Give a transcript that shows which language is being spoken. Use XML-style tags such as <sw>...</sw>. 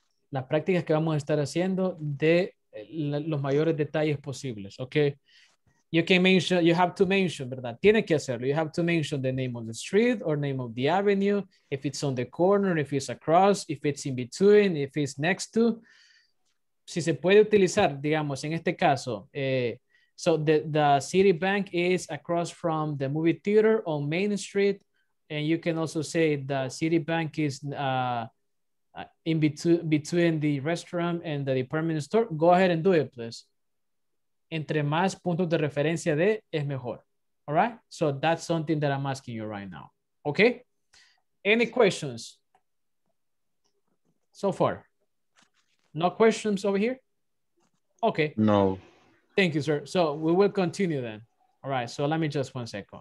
<es>Las prácticas que vamos a estar haciendo de los mayores detalles posibles, okay?</es> <en>You can mention, you have to mention, ¿verdad?</en> <es>Tiene que hacerlo.</es> <en>You have to mention the name of the street or name of the avenue, if it's on the corner, if it's across, if it's in between, if it's next to.</en> <es>Si se puede utilizar, digamos, en este caso,</es> <en>so the city bank is across from the movie theater on Main Street, and you can also say the city bank is in between the restaurant and the department store. Go ahead and do it, please.</en> <es>Entre más puntos de referencia de, es mejor.</es> <en>All right? So that's something that I'm asking you right now. Okay? Any questions so far? No questions over here? Okay.</en> <es>No.</es> <en>Thank you, sir. So we will continue then. All right. So let me just one second.</en>